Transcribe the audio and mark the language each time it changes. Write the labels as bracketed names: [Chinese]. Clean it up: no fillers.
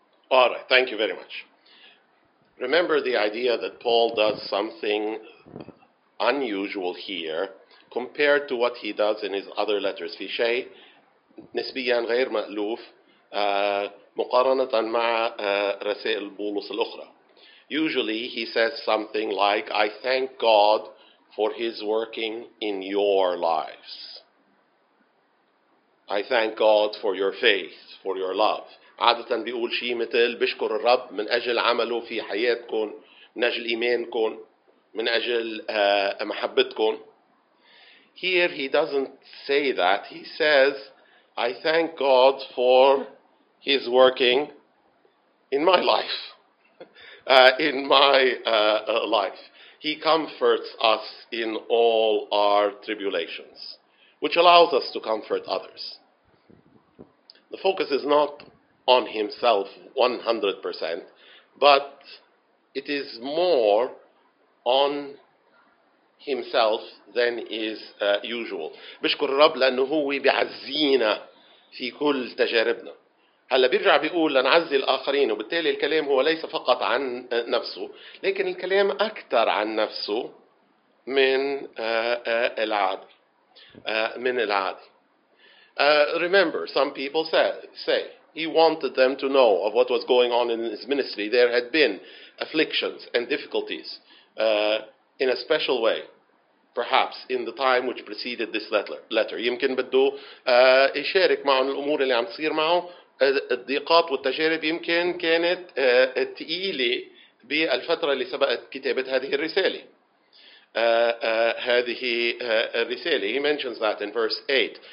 [English] All right, thank you very much. Remember the idea that Paul does something unusual here compared to what he does in his other letters. [Arabic] في شيء نسبيا غير مألوف مقارنة مع رسائل بولس الأخرى. [English] Usually he says something like, I thank God for his working in your lives. I thank God for your faith, for your love. [Arabic] عادة بيقول شيء مثل بشكر الرب من أجل عمله في حياتكم, من أجل إيمانكم, من أجل محبتكم. [English] Here he doesn't say that. He says, I thank God for his working in my life. In my life. He comforts us in all our tribulations, which allows us to comfort others. The focus is not on himself 100%, but it is more on himself than is usual. [Arabic] بشكر الرب لأنه هو بيعزينا في كل تجاربنا. هلا بيرجع بيقول لنعزي الآخرين, وبالتالي الكلام هو ليس فقط عن نفسه, لكن الكلام أكثر عن نفسه من العادي. [English] Remember, some people say he wanted them to know of what was going on in his ministry. There had been afflictions and difficulties in a special way, perhaps, in the time which preceded this letter. [Arabic] يمكن بده يشارك معهم الأمور اللي عم تصير معه. الضيقات والتجارب يمكن كانت تقيلة بالفترة اللي سبقت كتابة هذه الرسالة. هذه الرسالة. [English] He mentions that in verse 8.